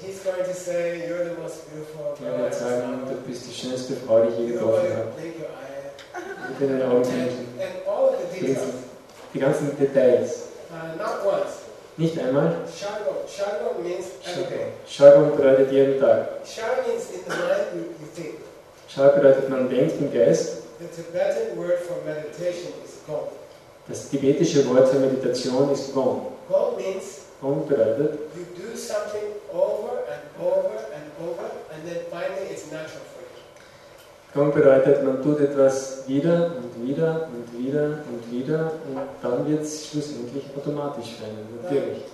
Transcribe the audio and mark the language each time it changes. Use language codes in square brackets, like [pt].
[en] He's going to say, you're the most beautiful girl. [de] Er wird sagen, du bist die schönste Frau, die ich je getroffen habe. Ich bin ein Augenmensch. [en] And all the details. [de] Die ganzen Details. [en] Not once. [de] Nicht einmal. [en] Shalom means everything. [de] Shalom bedeutet jeden Tag. [en] Shalom means in the mind you think. [de] Shalom bedeutet, man denkt im Geist. [en] The Tibetan word for meditation is Gom. [de] Das tibetische Wort für Meditation ist Gom. [en] Gom means [de] Gom bedeutet, [en] you do something over and over and over and then finally it's natural for you. [de] Gom bedeutet, man tut etwas wieder und wieder und wieder und wieder und dann wird es schlussendlich automatisch werden, natürlich.